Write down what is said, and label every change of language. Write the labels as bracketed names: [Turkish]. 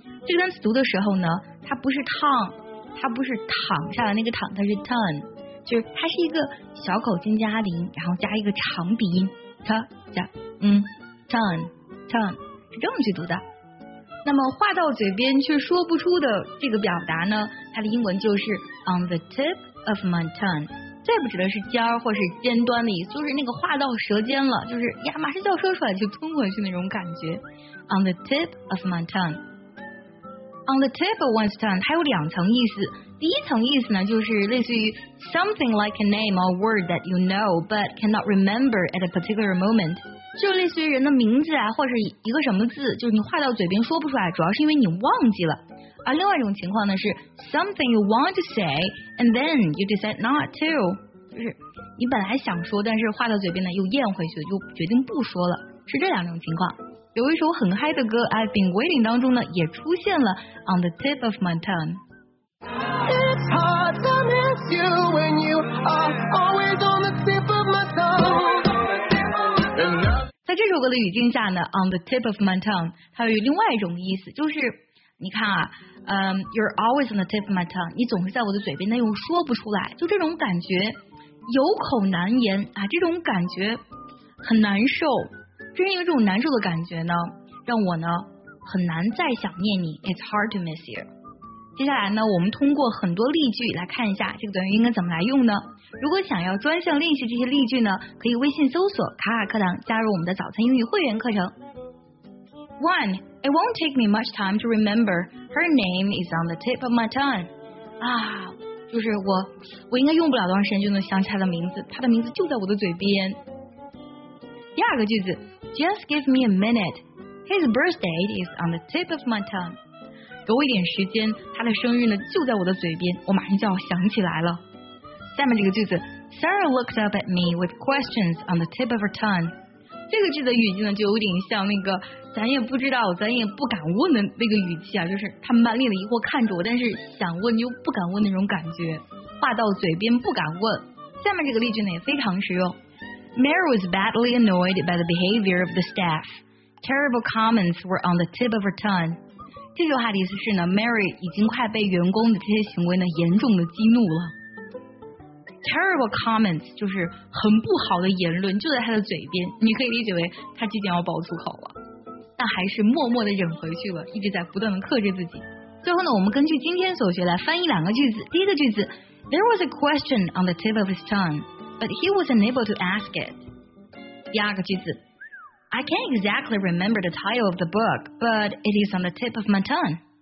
[Chinese] 这个单词读的时候呢，它不是 tongue， 它不是躺下的那个躺，它是 tongue， 就是它是一个小口尖加鼻，然后加一个长鼻音 t 加tongue 是这么去读的。那么话到嘴边却说不出的这个表达呢，它的英文就是 [English] on the tip of my tongue。 [Chinese] 再不指的是尖或是尖端的意思，就是那个话到舌尖了，就是呀马上就要说出来就吞回去那种感觉。 [English] On the tip of my tongue， On the tip of one's tongue， [Chinese] 它有两层意思。第一层意思呢，就是类似于 [English] something like a name or word that you know but cannot remember at a particular moment， [Chinese] 就类似于人的名字啊，或者一个什么字，就是你话到嘴边说不出来，主要是因为你忘记了。而另外一种情况呢，是 [English] something you want to say and then you decide not to， [Chinese] 就是你本来想说，但是话到嘴边呢又咽回去，就决定不说了，是这两种情况。有一首很嗨的歌 I've been waiting 当中呢，也出现了 [English] on the tip of my tongue。 It's hard to miss you when you are always on the tip of my tongue。 [Chinese] 在这首歌的语境下呢， [English] on the tip of my tongue [Chinese] 它有另外一种意思，就是你看啊， [English] you're always on the tip of my tongue， [Chinese] 你总是在我的嘴边，但又说不出来，就这种感觉有口难言啊，这种感觉很难受。正因为这种难受的感觉呢，让我呢很难再想念你， [English] it's hard to miss you。 [Chinese] 接下来呢，我们通过很多例句来看一下这个短语应该怎么来用呢。如果想要专项练习这些例句呢，可以微信搜索卡卡课堂，加入我们的早餐英语会员课程。 1. [English] It won't take me much time to remember. Her name is on the tip of my tongue. [Chinese] 啊，就是我应该用不了多长时间就能想起她的名字，她的名字就在我的嘴边。第二个句子 [English] ，Just give me a minute. His birthday is on the tip of my tongue. [Chinese] 给我一点时间，他的生日呢就在我的嘴边，我马上就要想起来了。下面这个句子 [English] ，Sarah looked up at me with questions on the tip of her tongue. [Chinese] 这个句子语境呢，就有点像那个咱也不知道咱也不敢问的那个语气啊，就是他满脸的疑惑看着我，但是想问又不敢问那种感觉，话到嘴边不敢问。下面这个例句呢也非常实用。 [English] Mary was badly annoyed by the behavior of the staff. Terrible comments were on the tip of her tongue. [Chinese] 这句话的意思是呢， Mary 已经快被员工的这些行为呢严重的激怒了。 [English] Terrible comments [Chinese] 就是很不好的言论，就在他的嘴边，你可以理解为他即将要爆粗口了，但还是默默地忍回去了，一直在不断地克制自己。最后呢，我们根据今天所学来翻译两个句子。第一个句子 [English] There was a question on the tip of his tongue but he was unable to ask it。 [Chinese] 第二个句子 [English] I can't exactly remember the title of the book but it is on the tip of my tongue。